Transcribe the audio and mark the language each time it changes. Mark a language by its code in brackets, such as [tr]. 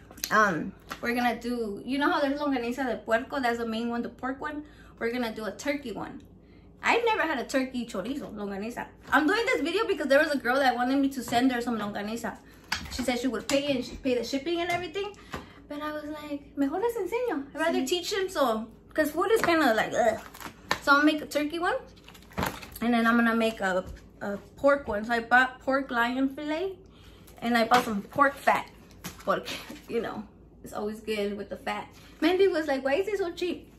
[en] We're gonna do, you know how there's longaniza de puerco? That's the main one, the pork one. We're gonna do a turkey one. I've never had a turkey chorizo, longaniza. I'm doing this video because there was a girl that wanted me to send her some longaniza. She said she would pay and she'd pay the shipping and everything. But I was like, [es] mejor les enseño. [en] I'd rather teach them so. Because food is kind of like, ugh. So I'll make a turkey one. And then I'm going to make a pork one. So I bought pork lion filet. And I bought some pork fat. Pork, you know, it's always good with the fat. Mandy was like, why is it so cheap?